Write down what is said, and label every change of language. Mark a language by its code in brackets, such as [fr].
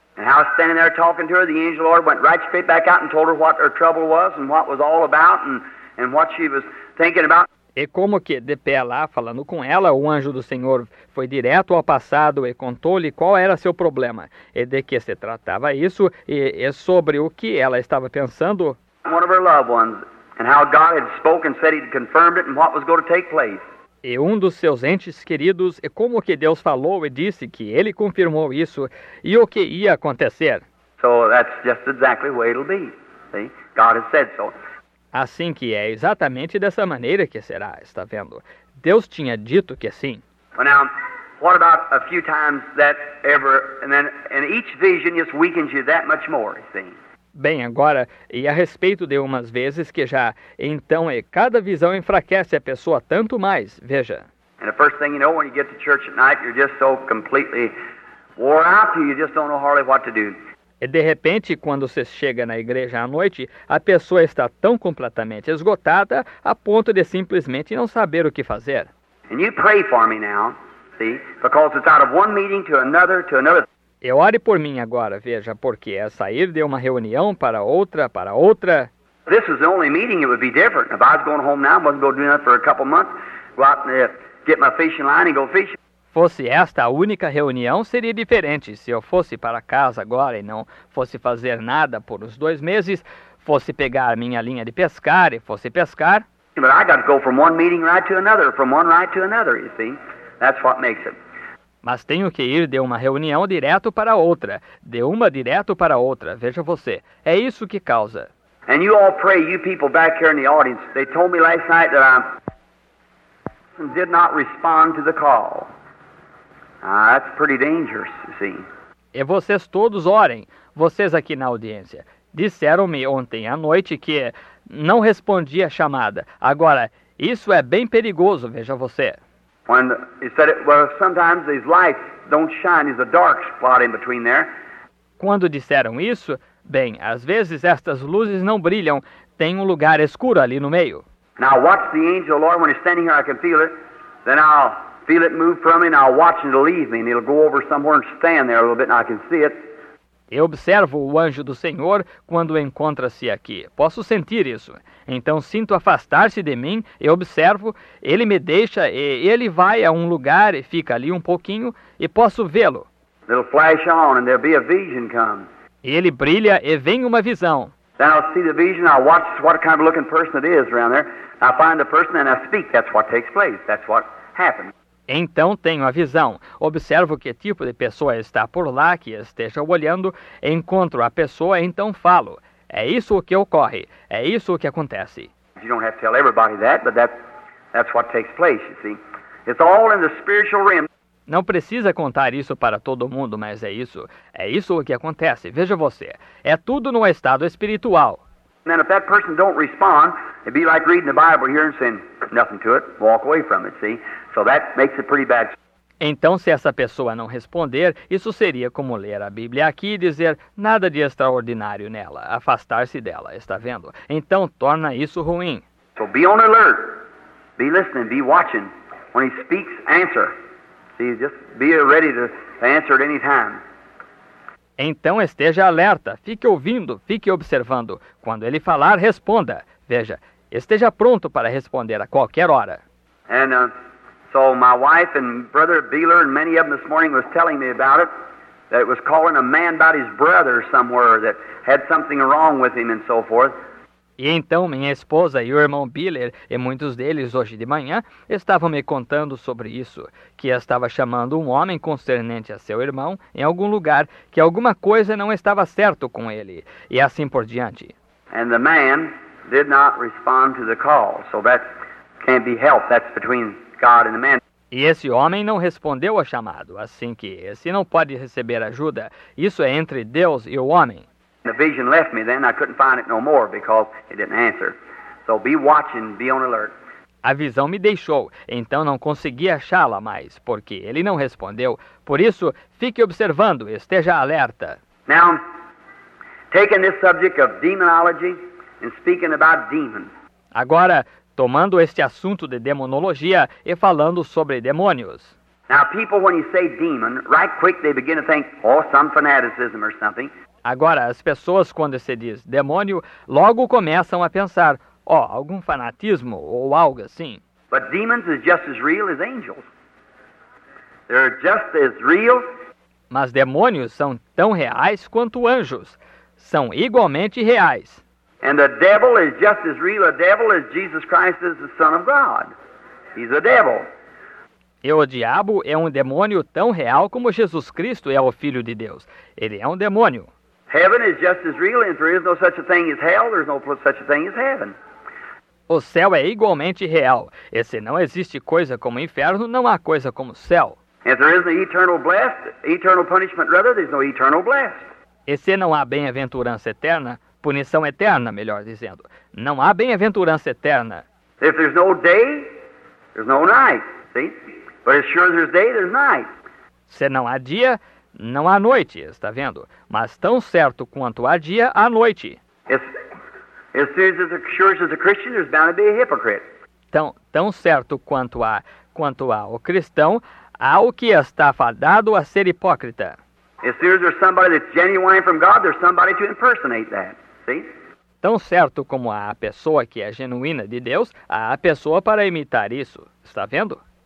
[en] And I was standing there talking to her, the angel Lord went right straight back out and told her what her trouble was and what was all about and what she was thinking about. [pt] E como que de pé lá, falando com ela, o anjo do Senhor foi direto ao passado e contou-lhe qual era seu problema, e de que se tratava isso, e sobre o que ela estava pensando. [en] One of her loved ones, and how God had spoken, said he'd confirmed it, and what was going to take place. [pt] E um dos seus entes queridos, e como que Deus falou e disse que ele confirmou isso, e o que ia acontecer. [en] So that's just exactly the way it'll be. See? God has said so. [pt] Assim que é exatamente dessa maneira que será, está vendo? Deus tinha dito que sim. [en] Well, now, what about a few times that ever, and each vision just weakens you that much more, you see? [pt] Bem, agora, e a respeito de umas vezes que já, então, e cada visão enfraquece a pessoa tanto mais, veja. [en] And the first thing you know, when you get to church at night, you're just so completely wore out, you just don't know hardly what to do. [pt] E de repente, quando você chega na igreja à noite, a pessoa está tão completamente esgotada a ponto de simplesmente não saber o que fazer. [en] And you pray for me now, see, because it's out of one meeting to another... [pt] E ore por mim agora, veja, porque é sair de uma reunião para outra... [en] This is the only meeting it would be different. If I was going home now, I wasn't going to do nothing for a couple months, go out and get my fishing line and go fishing. [pt] Fosse esta a única reunião, seria diferente. Se eu fosse para casa agora e não fosse fazer nada por uns dois meses, fosse pegar minha linha de pescar e fosse pescar... [en] But I got to go from one meeting right to another, from one right to another, you see. That's what makes it. [pt] Mas tenho que ir de uma reunião direto para outra, de uma direto para outra, veja você. É isso que causa. [en] And you all pray, you people back here in the audience, they told me last night that I did not respond to the call. Ah, that's pretty dangerous, you see. [pt] E vocês todos orem, vocês aqui na audiência. Disseram-me ontem à noite que não respondi à chamada. Agora, isso é bem perigoso, veja você. [en] When he said it, well, sometimes these lights don't shine, there's a dark spot in between there. [pt] Quando disseram isso, bem, às vezes estas luzes não brilham, tem um lugar escuro ali no meio. [en] Now watch the angel, Lord, when he's standing here, I can feel it. Then I'll feel it move from me, and I'll watch it leave me, and it'll go over somewhere and stand there a little bit, and I can see it. [pt] Eu observo o anjo do Senhor quando encontra-se aqui. Posso sentir isso. Então sinto afastar-se de mim e observo. Ele me deixa e ele vai a um lugar e fica ali um pouquinho e posso vê-lo. [en] It'll flash on and there'll be a vision come. [pt] E ele brilha e vem uma visão. [en] Then I'll see the vision, I'll watch what kind of looking person it is around there. I'll find the person and I speak. That's what takes place. That's what happens. [pt] Então tenho a visão, observo que tipo de pessoa está por lá, que esteja olhando, encontro a pessoa e então falo. É isso o que ocorre, é isso o que acontece. [en] You don't have to tell everybody that, but that's what takes place, you see. It's all in the spiritual realm. [pt] Não precisa contar isso para todo mundo, mas é isso o que acontece. Veja você, é tudo no estado espiritual. [en] And then if that person don't respond, it'd be like reading the Bible here and saying nothing to it, walk away from it, see? So that makes it pretty bad. [pt] Então, se essa pessoa não responder, isso seria como ler a Bíblia aqui e dizer nada de extraordinário nela, afastar-se dela, está vendo? Então, torna isso ruim. [en] So be on alert. Be listening, be watching. When he speaks, answer. See, just be ready to answer at any time. [pt] Então, esteja alerta, fique ouvindo, fique observando. Quando ele falar, responda. Veja, esteja pronto para responder a qualquer hora. [en] And, so my wife and brother Beeler and many of them this morning was telling me about it, that it was calling a man about his brother somewhere that had something wrong with him and so forth. [pt] E então minha esposa e o irmão Beeler e muitos deles hoje de manhã estavam me contando sobre isso, que estava chamando um homem concernente a seu irmão em algum lugar, que alguma coisa não estava certo com ele, e assim por diante. [en] And the man did not respond to the call, so that can't be helped, that's between... God and the man. [pt] E esse homem não respondeu ao chamado, assim que esse não pode receber ajuda. Isso é entre Deus e o homem. [en] The vision left me then, I couldn't find it no more because it didn't answer. So be watching, be on alert. [pt] A visão me deixou, então não consegui achá-la mais, porque ele não respondeu. Por isso, fique observando, esteja alerta. [en] Now, taking this subject of demonology and speaking about demons. [pt] Agora, tomando este assunto de demonologia e falando sobre demônios. [en] Now, people, when you say demon, right quick they begin to think, oh, some fanaticism or something. [pt] Agora, as pessoas, quando se diz demônio, logo começam a pensar, oh, algum fanatismo ou algo assim. [en] But demons is just as real as angels. They're just as real. [pt] Mas demônios são tão reais quanto anjos. São igualmente reais. [en] And the devil is just as real a devil as Jesus Christ is the Son of God. He's a devil. [pt] E o diabo é um demônio tão real como Jesus Cristo é o Filho de Deus. Ele é um demônio. [en] Heaven is just as real, and there is no such a thing as hell, there's no such a thing as heaven. [pt] O céu é igualmente real. E se não existe coisa como inferno, não há coisa como céu. [en] If there is no eternal blessed, eternal punishment rather, there's no eternal blessed. [pt] E se não há bem-aventurança eterna, punição eterna, melhor dizendo, não há bem-aventurança eterna. [en] If there's no day, there's no night, see? But as sure as there's day, there's night. [pt] Se não há dia, não há noite, está vendo? Mas tão certo quanto há dia, há noite. [en] As sure as there's a Christian, there's bound to be a hypocrite. [pt] Tão certo quanto há o cristão, há o que está fadado a ser hipócrita. [en] As sure as there's somebody that's genuine from God, there's somebody to impersonate that, see? [pt] Tão certo como há a pessoa que é genuína de Deus, há a pessoa para imitar isso, está vendo?